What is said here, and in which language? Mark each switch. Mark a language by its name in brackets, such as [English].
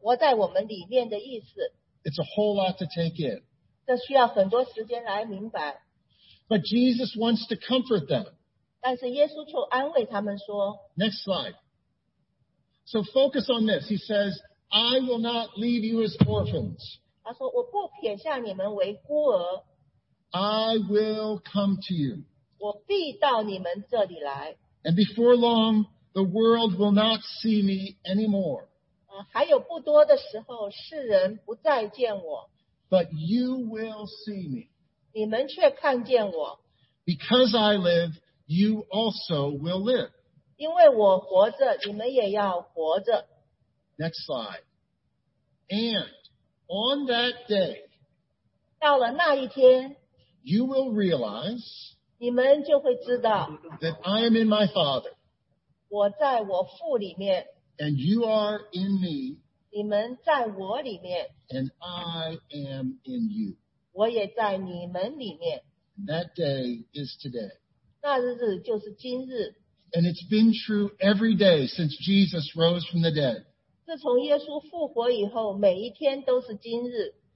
[Chinese] 他们不了解什么是保惠师活在我们里面的意思。 [English] It's a whole lot to take in. [Chinese] 这需要很多时间来明白。 [English] But Jesus wants to comfort them. [Chinese] 但是耶稣却安慰他们说。 [English] Next slide. So focus on this. He says, I will not leave you as orphans. [Chinese] 他说,我不撇下你们为孤儿。 [English] I will come to you. [Chinese] 我必到你们这里来。 [English] And before long, the world will not see me anymore. [Chinese] 还有不多的时候,世人不再见我。 [English] But you will see me. [Chinese] 你们却看见我。 [English] Because I live, you also will live. [Chinese] 因为我活着,你们也要活着。 [English] Next slide. And on that day, [Chinese] 到了那一天, [English] you will realize [Chinese] 你们就会知道, [English] that I am in my Father, [Chinese] 我在我父里面, [English] and you are in me, [Chinese] 你们在我里面, [English] and I am in you. [Chinese] 我也在你们里面, [English] and that day is today. [Chinese] 那日子就是今日, [English] and it's been true every day since Jesus rose from the dead. [Chinese] 自从耶稣复活以后,每一天都是今日。